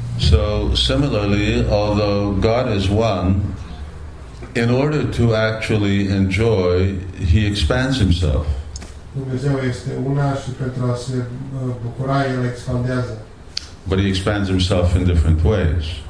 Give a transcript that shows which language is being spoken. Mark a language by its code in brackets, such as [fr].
[en] So, similarly, although God is one, in order to actually enjoy, he expands himself. [ro] Dumnezeu este una și pentru a se bucura, el expandează. [en] But he expands himself in different ways.